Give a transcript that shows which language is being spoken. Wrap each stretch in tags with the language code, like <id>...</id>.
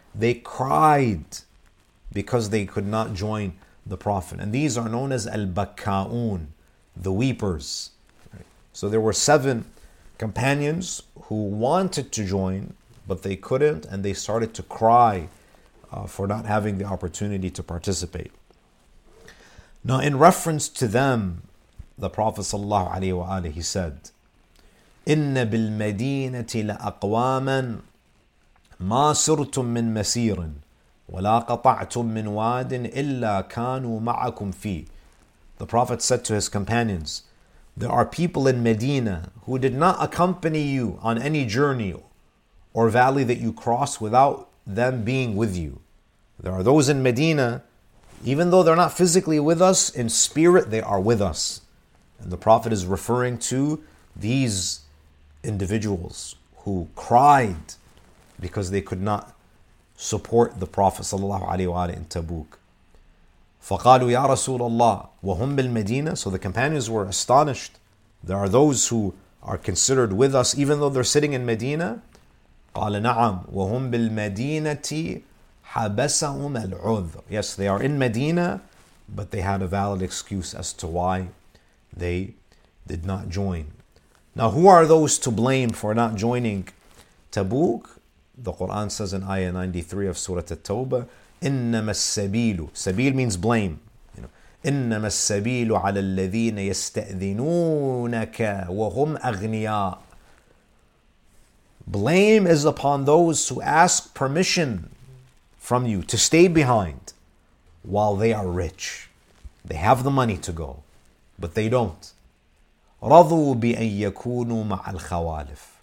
<en>They cried because they could not join the Prophet. And these are known as Al-Bakka'un, the weepers. So there were seven companions who wanted to join, but they couldn't, and they started to cry for not having the opportunity to participate. Now in reference to them, the Prophet sallallahu alaihi wa alihi said,</en> <ar>إِنَّ بِالْمَدِينَةِ لَأَقْوَامًا مَا سُرْتُم مِّن مَسِيرٍ وَلَا قَطَعْتُم مِّن وَادٍ إِلَّا كَانُوا مَعَكُمْ فِيهِ.</ar> <en>The Prophet said to his companions, there are people in Medina who did not accompany you on any journey or valley that you cross without them being with you. There are those in Medina, even though they're not physically with us, in spirit they are with us. And the Prophet is referring to these individuals who cried because they could not support the Prophet sallallahu alaihi wa alihi in Tabuk.</en> <ar>فَقَالُوا يَا رَسُولَ اللَّهِ وَهُمْ بِالْمَدِينَةِ.</ar> <en>So the companions were astonished. There are those who are considered with us even though they're sitting in Medina.</en> <ar>قَالَ نَعَمْ وَهُمْ بِالْمَدِينَةِ حَبَسَهُمْ الْعُذْرِ.</ar> <en>Yes, they are in Medina, but they had a valid excuse as to why they did not join. Now who are those to blame for not joining Tabuk? The Quran says in Ayah 93 of Surah At-Tawbah,</en> <ar>إِنَّمَا السَّبِيلُ.</ar> <en>Sabil means blame. You know,</en> <ar>إِنَّمَا السَّبِيلُ عَلَى الَّذِينَ يَسْتَأْذِنُونَكَ وَهُمْ أَغْنِيَاءَ.</ar> <en>Blame is upon those who ask permission from you to stay behind while they are rich. They have the money to go, but they don't.</en> <ar>رَضُوا بِأَن يَكُونُوا مَعَ الْخَوَالِفِ.</ar>